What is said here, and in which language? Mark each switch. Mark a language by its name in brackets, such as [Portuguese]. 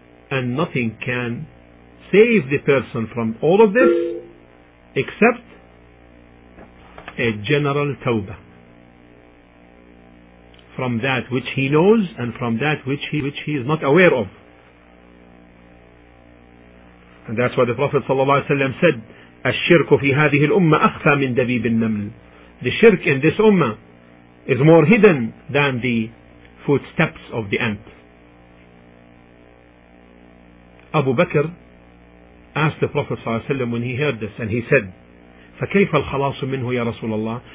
[English] And nothing can save the person from all of this except a general tawbah. From that which he knows and from that which he is not aware of. And that's why the Prophet ﷺ said, [Arabic] الشرك في هذه الأمة أخفى من دبيب النمل. [English] The shirk in this ummah is more hidden than the footsteps of the ant. Abu Bakr asked the Prophet ﷺ when he heard this, and he said, [Arabic] فكيف الخلاص منه يا رسول الله?